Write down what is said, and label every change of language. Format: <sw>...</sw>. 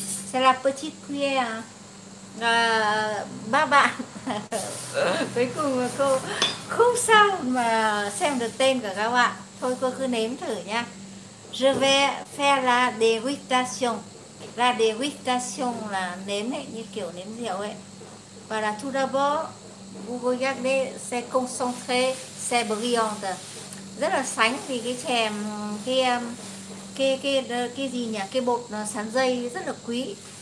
<fr>C'est la petite cuillère</fr> <vi>hả? Ba bạn. Cuối cùng là cô không sao mà xem được tên của các bạn. Thôi cô cứ nếm thử nha.</vi> <fr>Je vais faire la dégustation.</fr> <vi>La dégustation là nếm ấy, như kiểu nếm rượu ấy. Và là</vi> <fr>tout d'abord, vous regardez, c'est concentré, c'est brillant.</fr> <vi>Rất là sánh vì cái chè, cái gì nhỉ? Cái bột sắn dây rất là quý.</vi>